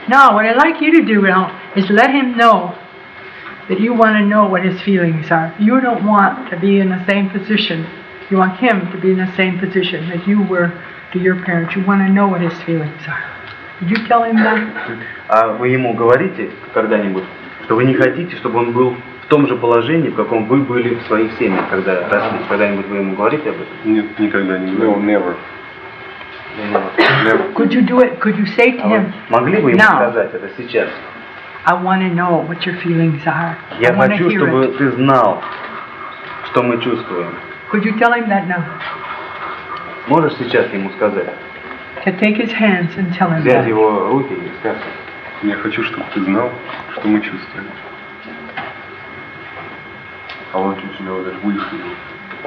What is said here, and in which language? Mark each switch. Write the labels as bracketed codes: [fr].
[en] Now, what I'd like you to do now is let him know that you want to know what his feelings are. You don't want to be in the same position. You want him to be in the same position that you were to your parents. You want to know what his feelings are. Did you tell him that? [ru] А вы ему говорите когда-нибудь, что вы не хотите, чтобы он был в том же положении, в каком вы были в своих семьях, когда росли? Когда-нибудь вы ему говорите об этом? Нет, никогда не говорю. [en] No, never. Could you do it? Could you say to him? [ru] Могли бы ему сказать это сейчас? [en] I want to know what your feelings are. [ru] Я хочу, чтобы ты знал, что мы чувствуем. [en] Could you tell him that now? [ru] Можешь сейчас ему сказать? [en] To take his hands and tell him that. [ru] Взять его руки и сказать. Я хочу, чтобы ты знал, что мы чувствуем. [en] I want you to know that we feel.